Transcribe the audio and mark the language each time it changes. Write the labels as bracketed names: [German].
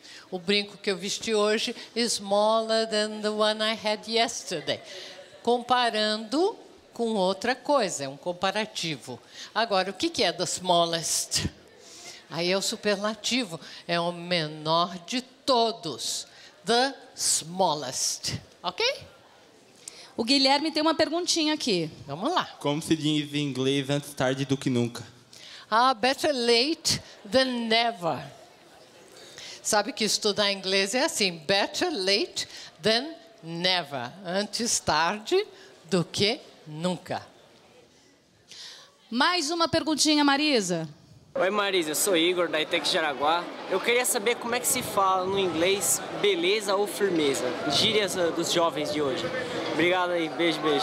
[Portuguese] O brinco que eu vesti hoje [English] is smaller than the one I had yesterday. [Portuguese] Comparando com outra coisa, é um comparativo. Agora, o que é [English] the smallest? [Portuguese] Aí é o superlativo, é o menor de todos. [English] The smallest, ok? [Portuguese] O Guilherme tem uma perguntinha aqui. Vamos lá. Como se diz em inglês, antes tarde do que nunca? [English] Ah, better late than never. [Portuguese] Sabe que estudar inglês é assim, [English] better late than never. [Portuguese] Antes tarde do que nunca. Mais uma perguntinha, Marisa. Oi, Marisa, eu sou Igor, da ITEC Jaraguá. Eu queria saber como é que se fala no inglês beleza ou firmeza. Gírias dos jovens de hoje. Obrigado aí, beijo.